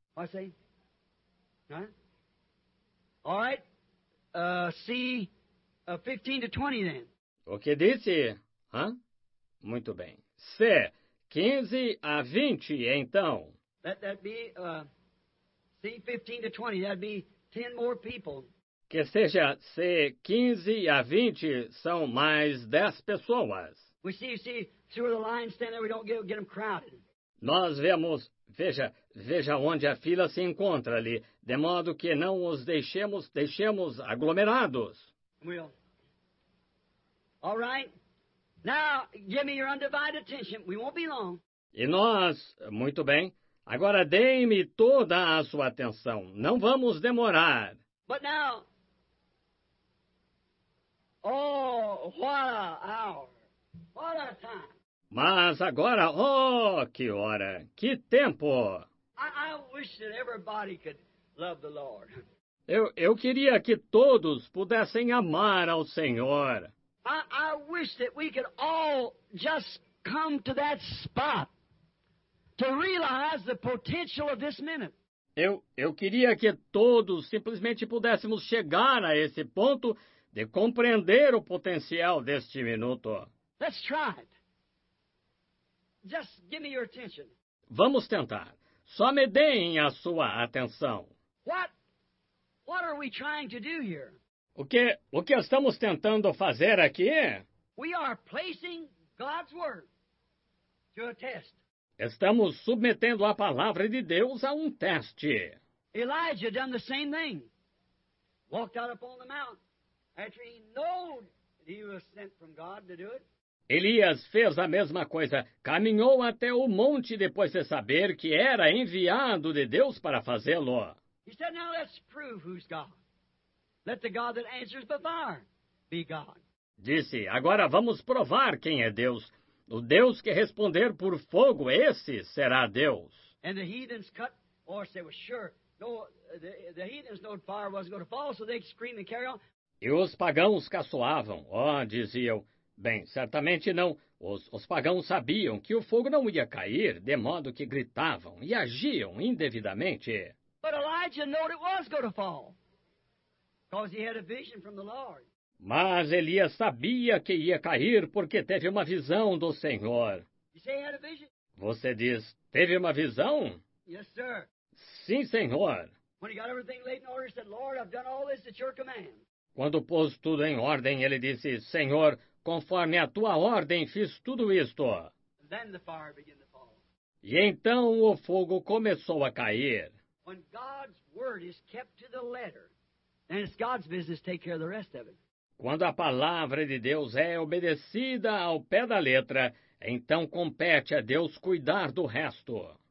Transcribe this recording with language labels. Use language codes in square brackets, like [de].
[en] I see. Huh? All right. See, 15 to 20 then. [pt] O que disse? Hã? Muito bem. Se 15 a 20, então. [en] That'd be, see, 15 to 20, that'd be 10 more people. [pt] Que seja, se 15 a 20 são mais 10 pessoas. [en] We see, through the line stand there, we don't get them crowded. [pt] Nós vemos, veja onde a fila se encontra ali, de modo que não os deixemos aglomerados. [en] We'll. All right. Now, give me your undivided attention. We won't be long. [pt] E nós, muito bem. Agora, deem-me toda a sua atenção. Não vamos demorar. [en] But now, oh, what a hour, what a time. [pt] Mas agora, oh, que hora, que tempo. [en] I wish that everybody could love the Lord. [pt] Eu queria que todos pudessem amar ao Senhor. [en] I wish that we could all just come to that spot to realize the potential of this minute. [pt] Eu queria que todos simplesmente pudéssemos chegar a esse ponto de compreender o potencial deste minuto. [en] Let's try it. Just give me your attention. [pt] Vamos tentar. Só me deem a sua atenção. [en] What are we trying to do here? [pt] O que estamos tentando fazer aqui? [en] We are placing God's word to a test. [pt] Estamos submetendo a palavra de Deus a um teste. [en] Elijah done the same thing. Walked out upon the mountain after he knew that he was sent from God to do it. [pt] Elias fez a mesma coisa. Caminhou até o monte depois de saber que era enviado de Deus para fazê-lo. [en] He said, now let's prove who's God. Let the God that answers before be God. [pt] Disse, agora vamos provar quem é Deus. O Deus que responder por fogo, esse será Deus. [en] And the heathens cut, or say, well, sure. No, the heathens know fire wasn't going to fall, so they scream and carry on. [pt] E os pagãos caçoavam. Oh, diziam, bem, certamente não. Os pagãos sabiam que o fogo não ia cair, de modo que gritavam e agiam indevidamente. [en] But Elijah knew it was going to fall. Because he had a vision from the Lord. [pt] Mas Elias sabia que ia cair porque teve uma visão do Senhor. [en] You say he had a vision? [pt] Você diz, teve uma visão? [en] Yes, sir. [pt] Sim, Senhor. [en] When he got everything laid in order, he said, Lord, I've done all this at your command. [pt] Quando pôs tudo em ordem, ele disse, Senhor, conforme a tua ordem, fiz tudo isto. [en] Then the fire began to fall. [pt] E então o fogo começou a cair. [en] When God's word is kept to the letter, and it's God's business to take care of the rest of it. [pt] Quando a palavra de Deus é obedecida ao pé da letra, então compete a Deus cuidar do resto.